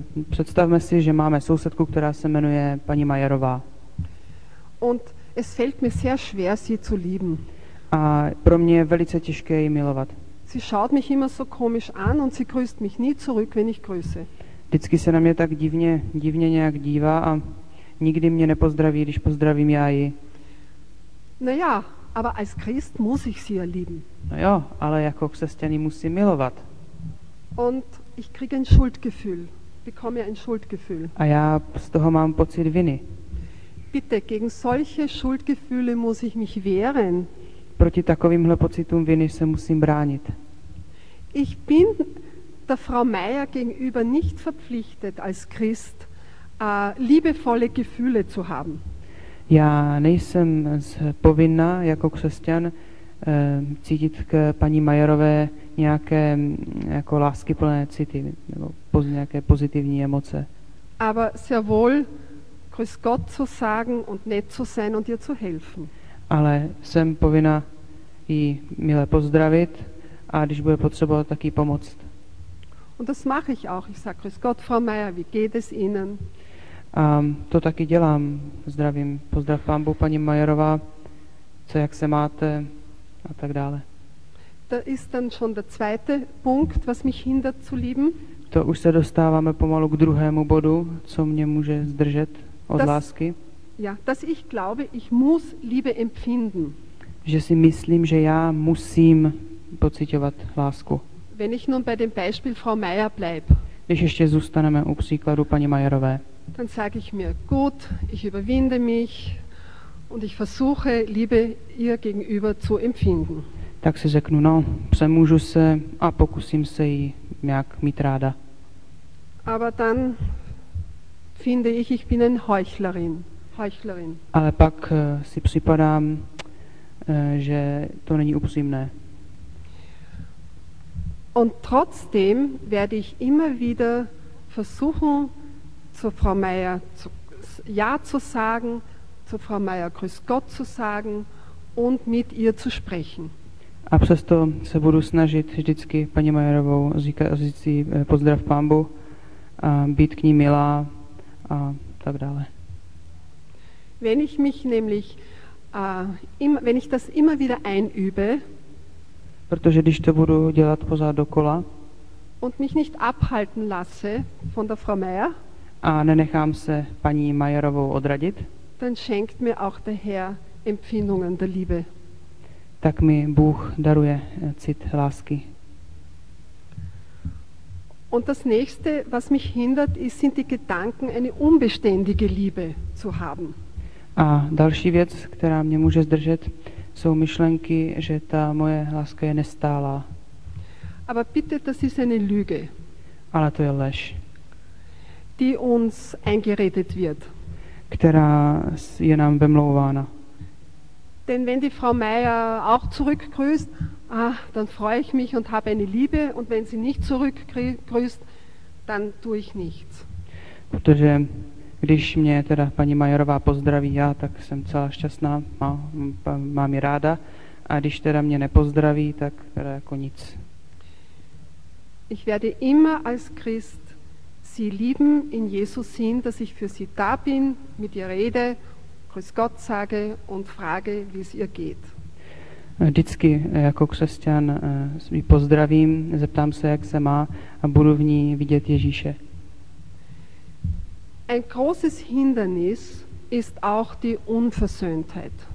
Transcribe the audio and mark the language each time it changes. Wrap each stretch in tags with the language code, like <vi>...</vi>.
<cs>Představme si, že máme sousedku, která se jmenuje paní Majerová.</cs> <de>Und es fällt mir sehr schwer, sie zu lieben.</de> <cs>A pro mě je velice těžké ji milovat.</cs> <de>Sie schaut mich immer so komisch an und sie grüßt mich nie zurück, wenn ich grüße.</de> <cs>Vždycky se na mě tak divně nějak dívá a nikdy mě nepozdraví, když pozdravím já ji.</cs> <de>Na ja, aber als Christ muss ich sie ja lieben.</de> <cs>No jo, ale jako křesťan musím milovat.</cs> <de>Und ich kriege ein Schuldgefühl. Bekomme ein Schuldgefühl.</de> <cs>A já z toho mám pocit viny.</cs> <de>Bitte, gegen solche Schuldgefühle muss ich mich wehren.</de> <cs>Proti takovýmhle pocitům viny se musím bránit.</cs> <de>Ich bin der Frau Meier gegenüber nicht verpflichtet als Christ liebevolle Gefühle zu haben.</de> <cs>Já nejsem povinna jako křesťan cítit k paní Majerové nějaké jako láskyplné city nebo nějaké pozitivní emoce.</cs> <de>Aber sehr wohl grüß Gott zu sagen und nett zu sein und ihr zu helfen.</de> <cs>Ale jsem povinna jí mile pozdravit a když bude potřebovat, tak jí pomoct.</cs> <de>Und das mache ich auch. Ich sage grüß Gott, Frau Meier, wie geht es Ihnen?</de> <cs>A to taky dělám. Zdravím. Pozdrav vám, paní Majerová. Co, jak se máte? A tak dále.</cs> <de>Da ist dann schon der zweite Punkt, was mich hindert zu lieben.</de> <cs>To už se dostáváme pomalu k druhému bodu, co mě může zdržet od</cs> <de>das,</de> <cs>lásky.</cs> <de>Ja, dass ich glaube, ich muss Liebe empfinden.</de> <cs>Že si myslím, že já musím pociťovat lásku.</cs> <de>Wenn ich nun bei dem Beispiel Frau Meier bleib.</de> <cs>Když ještě zůstaneme u příkladu paní Majerové.</cs> <de>Dann sage ich mir, gut, ich überwinde mich und ich versuche Liebe ihr gegenüber zu empfinden.</de> <cs>Tak si řeknu, no, přemůžu se a pokusím se jí nějak mít ráda.</cs> <de>Aber dann finde ich, ich bin eine Heuchlerin.</de> <cs>Ale pak si připadám, že to není upřímné.</cs> <de>Und trotzdem werde ich immer wieder versuchen, zu Frau Meier zu, ja zu sagen, zu Frau Meier grüß Gott zu sagen und mit ihr zu sprechen.</de> <cs>A přesto se budu snažit vždycky paní Majerovou říct si pozdrav Pán Bůh, a být k ní milá a tak dále.</cs> <de>Wenn ich mich nämlich wenn ich das immer wieder einübe,</de> <cs>protože když to budu dělat pořád dokola</cs> <de>und mich nicht abhalten lasse von der Frau Meier,</de> <cs>a nenechám se paní Majerovou odradit,</cs> <de>dann schenkt mir auch der Herr Empfindungen der Liebe.</de> <cs>Tak mi Bůh daruje cit lásky.</cs> <de>Und das nächste, was mich hindert, ist, sind die Gedanken, eine unbeständige Liebe zu haben.</de> <cs>A další věc, která mě může zdržet, jsou myšlenky, že ta moje láska je nestálá.</cs> <de>Aber bitte, das ist eine Lüge.</de> <cs>Ale to je lež.</cs> <de>Die uns eingeredet wird.</de> <cs>Která je nám vemlouvána.</cs> <de>Denn wenn die Frau Meier auch zurückgrüßt, ah, dann freue ich mich und habe eine Liebe, und wenn sie nicht zurückgrüßt, dann tue ich nichts.</de> <cs>Protože když mě teda paní Majerová pozdraví, já tak jsem celá šťastná, mám ji ráda, a když teda mě nepozdraví, tak teda jako nic.</cs> <de>Ich werde immer als Christ sie lieben in Jesus sehen, dass ich für sie da bin, mit ihr rede, grüß Gott sage und frage, wie es ihr geht.</de> <cs>Vždycky jako křesťan ji pozdravím, zeptám se, jak se má, a budu v ní vidět Ježíše.</cs> <de>Ein großes Hindernis ist auch die Unversöhntheit.</de>